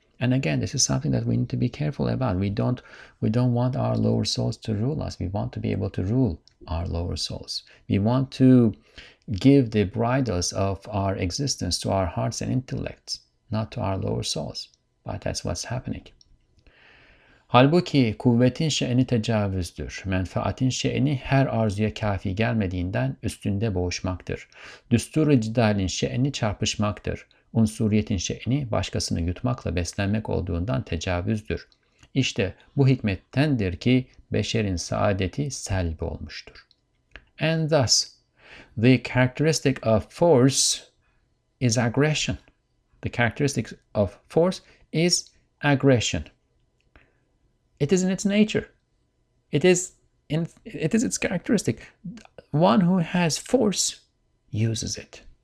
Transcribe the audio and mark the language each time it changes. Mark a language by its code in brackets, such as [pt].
[en] And again, this is something that we need to be careful about. We don't want our lower souls to rule us. We want to be able to rule our lower souls. We want to give the bridles of our existence to our hearts and intellects, not to our lower souls. But that's what's happening. [tr] Halbuki kuvvetin şe'ni tecavüzdür. Menfaatin şe'ni her arzuya kafi gelmediğinden üstünde boğuşmaktır. Düsturu cidalin şe'ni çarpışmaktır. Unsuriyetin şe'ni başkasını yutmakla beslenmek olduğundan tecavüzdür. İşte bu hikmettendir ki beşerin saadeti selb olmuştur. [en] And thus, the characteristic of force is aggression. The characteristic of force is aggression. It is in its nature. It is its characteristic. One who has force uses it.